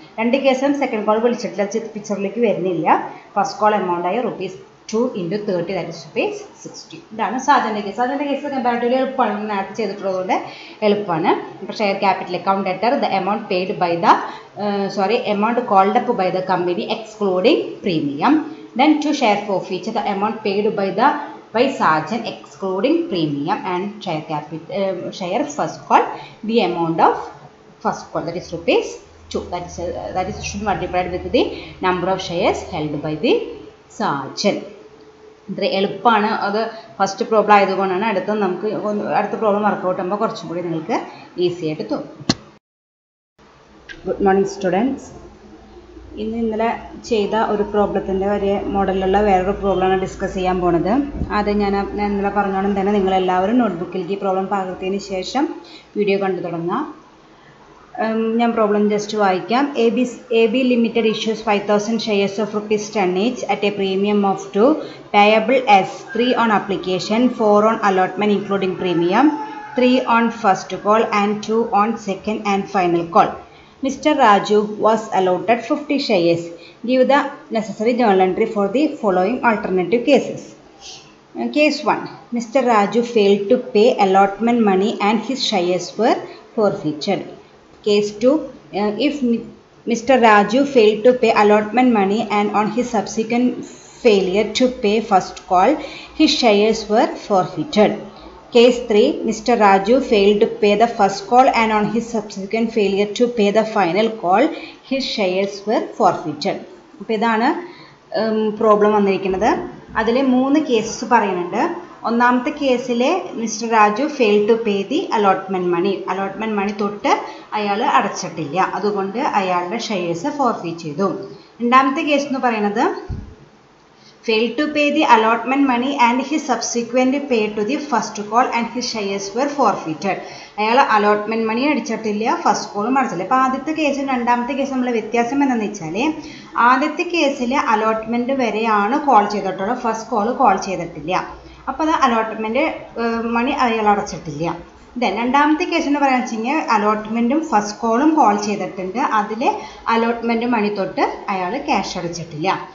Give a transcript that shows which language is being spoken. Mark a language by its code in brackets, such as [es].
[ml] രണ്ട് കേസും second call വിളിച്ചിട്ടില്ല, പിക്ചറിലേക്ക് വരുന്നില്ല. ഫസ്റ്റ് കോൾ എമൗണ്ട് ആയ ₹2 × 30, ദാറ്റ് ഇസ് ₹60. ഇതാണ് സാധാരണ കേസ്. സാധാരണ കേസ് കമ്പാരിറ്റീവ്ലി എളുപ്പമാണ്, നേരത്തെ ചെയ്തിട്ടുള്ളതുകൊണ്ട് എളുപ്പമാണ്. [en] ഇപ്പോൾ share capital account enter the amount paid by the sorry amount called up by the company excluding premium. Then to share forfeiture, the amount paid by the by Sajan excluding premium and share capital, share first call, the amount of first call, that is ₹2, that is should be multiplied with the number of shares held by the Sajan. [ml] ഇത്ര എളുപ്പമാണ്, അത് first problem ആയതുകൊണ്ടാണ് അടുത്ത നമുക്ക് അടുത്ത problem വർക്കൗട്ടാകുമ്പോൾ കുറച്ചും കൂടി നിങ്ങൾക്ക് ഈസി ആയിട്ട് തോന്നും. Good morning students. ഇന്ന് ഇന്നലെ ചെയ്ത ഒരു പ്രോബ്ലത്തിൻ്റെ ഒരു മോഡലിലുള്ള വേറൊരു പ്രോബ്ലമാണ് ഡിസ്കസ് ചെയ്യാൻ പോണത്. അത് ഞാൻ ഇന്നലെ പറഞ്ഞോളം തന്നെ നിങ്ങളെല്ലാവരും നോട്ട്ബുക്കിലേക്ക് ഈ പ്രോബ്ലം പകർത്തിയതിന് ശേഷം വീഡിയോ കണ്ടു തുടങ്ങാം. ഞാൻ പ്രോബ്ലം ജസ്റ്റ് വായിക്കാം. [en] A B limited issues 5000 shares of ₹10 at a premium of 2 payable as 3 on application, 4 on allotment including premium, 3 on first call and 2 on second and final call. Mr. Raju was allotted 50 shares. Give the necessary journal entry for the following alternative cases. Case 1. Mr. Raju failed to pay allotment money and his shares were forfeited. Case 2. If Mr. Raju failed to pay allotment money and on his subsequent failure to pay first call, his shares were forfeited. Case 3, Mr. Raju failed to pay the first call and on his subsequent failure to pay the final call, his shares were forfeited. [ml] അപ്പോൾ ഇതാണ് problem വന്നിരിക്കുന്നത്. അതിൽ 3 cases പറയുന്നുണ്ട്. ഒന്നാമത്തെ കേസിലെ mister Raju [en] fail to pay the allotment money, [ml] allotment മണി തൊട്ട് അയാൾ അടച്ചിട്ടില്ല, അതുകൊണ്ട് അയാളുടെ ഷെയർസ് ഫോർഫീറ്റ് ചെയ്തു. രണ്ടാമത്തെ കേസ് എന്ന് പറയുന്നത് [en] failed to pay the allotment money and he subsequently paid to the first call and his shares were forfeited. [ml] അയാൾ അലോട്ട്മെൻറ്റ് മണി അടിച്ചിട്ടില്ല, ഫസ്റ്റ് കോളും അടച്ചിട്ടില്ല. അപ്പോൾ ആദ്യത്തെ കേസും രണ്ടാമത്തെ കേസും നമ്മൾ വ്യത്യാസം എന്താണെന്ന് വെച്ചാൽ, ആദ്യത്തെ കേസിൽ അലോട്ട്മെൻറ്റ് വരെയാണ് കോൾ ചെയ്തിട്ടുള്ളത്, ഫസ്റ്റ് കോള് കോൾ ചെയ്തിട്ടില്ല. അപ്പോൾ അത് അലോട്ട്മെൻറ്റ് മണി അയാൾ അടച്ചിട്ടില്ല. ദെൻ രണ്ടാമത്തെ കേസ് എന്ന് പറയുന്ന വെച്ചാൽ അലോട്ട്മെൻറ്റും ഫസ്റ്റ് കോളും കോൾ ചെയ്തിട്ടുണ്ട്, അതിൽ അലോട്ട്മെൻറ്റ് മണി തൊട്ട് അയാൾ ക്യാഷ് അടച്ചിട്ടില്ല.